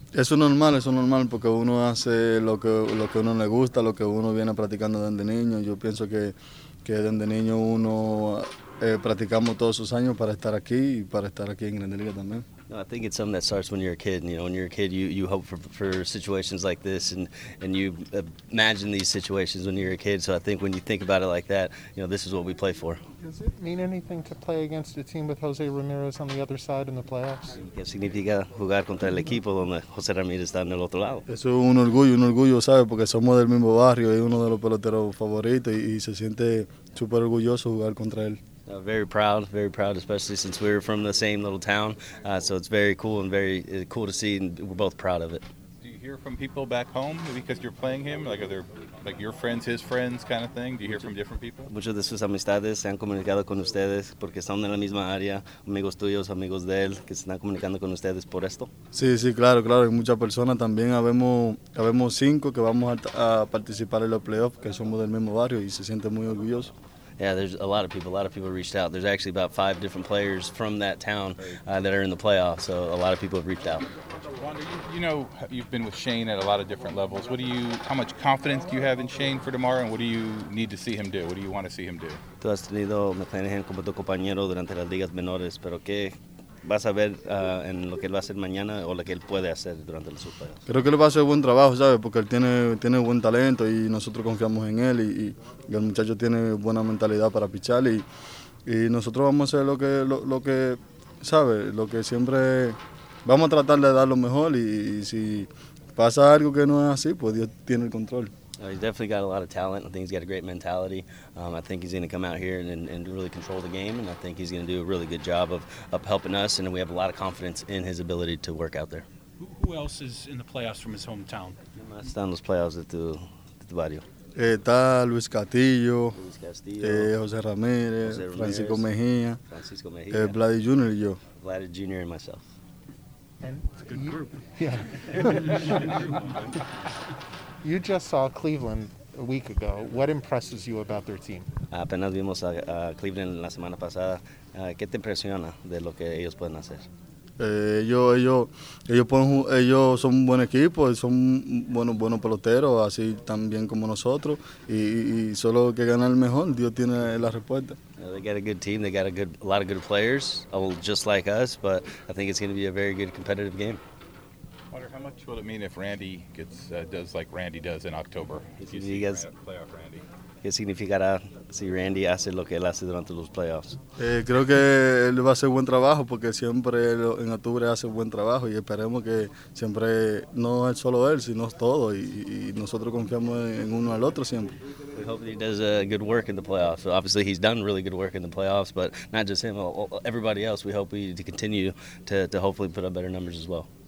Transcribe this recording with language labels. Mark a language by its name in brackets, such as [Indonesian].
[Spanish] Eso es normal, porque uno hace lo que uno le gusta, lo que uno viene practicando desde niño. Yo pienso que desde niño uno practicamos todos esos años para estar aquí y para estar aquí en Grandes Ligas también. [English] No, I think it's something that starts when you're a kid. You know, when you're a kid, you hope for situations like this, and you imagine these situations when you're a kid. So I think when you think about it like that, you know, this is what we play for. Does it mean anything to play against a team with Jose Ramirez on the other side in the playoffs? [Spanish] ¿Qué significa jugar contra el equipo donde José Ramírez está en el otro lado? Eso es un orgullo, ¿sabes? Porque somos del mismo barrio, es uno de los peloteros favoritos, y se siente súper orgulloso jugar contra él. [English] Very proud, especially since we're from the same little town. So it's very cool and very cool to see, and we're both proud of it. Do you hear from people back home because you're playing him? Like, are there, like, your friends, his friends kind of thing? Do you hear from different people? [Spanish] Muchas de sus amistades se han comunicado con ustedes porque están en la misma área, amigos tuyos, amigos de él, que se están comunicando con ustedes por esto. Sí, claro. Hay muchas personas también. Habemos cinco que vamos a participar en los playoffs, que somos del mismo barrio y se siente muy orgulloso. [English] Yeah, there's a lot of people reached out. There's actually about five different players from that town that are in the playoffs, so a lot of people have reached out. Wanda, you know, you've been with Shane at a lot of different levels. How much confidence do you have in Shane for tomorrow, and what do you need to see him do? What do you want to see him do? [Spanish] Tú has tenido, me planeé como tu compañero durante las ligas menores, pero ¿qué vas a ver en lo que él va a hacer mañana o lo que él puede hacer durante los playoffs? Creo que él va a hacer buen trabajo, ¿sabes? Porque él tiene buen talento y nosotros confiamos en él y el muchacho tiene buena mentalidad para pichar y nosotros vamos a hacer lo que ¿sabe? Lo que siempre vamos a tratar de dar lo mejor y si pasa algo que no es así, pues Dios tiene el control. [English] He's definitely got a lot of talent. I think he's got a great mentality. I think he's going to come out here and really control the game, and I think he's going to do a really good job of helping us, and we have a lot of confidence in his ability to work out there. Who else is in the playoffs from his hometown? [Spanish] Está en los playoffs de tu barrio. Está Luis Castillo, José Ramírez, Francisco Mejía, Vladdy Jr. y yo. [English] Vladdy Jr. and myself. And it's a good group. Yeah. You just saw Cleveland a week ago. What impresses you about their team? [Spanish] Apenas vimos a Cleveland la semana pasada. ¿Qué te impresiona de lo que ellos pueden hacer? Ellos son un buen equipo, son buenos peloteros, así también como nosotros. Y solo que ganar mejor, Dios tiene la respuesta. [English] They got a good team. They got a lot of good players, just like us. But I think it's going to be a very good competitive game. How much will it mean if Randy does like Randy does in October? [Spanish] ¿Qué significará si Randy hace lo que él hace durante los playoffs? Creo que él va a hacer buen trabajo porque siempre en octubre hace buen trabajo y esperemos que siempre no es solo él, sino todo y nosotros confiamos en uno al otro siempre. [English] We hope that he does good work in the playoffs. So obviously he's done really good work in the playoffs, but not just him, everybody else. We hope he continue to hopefully put up better numbers as well.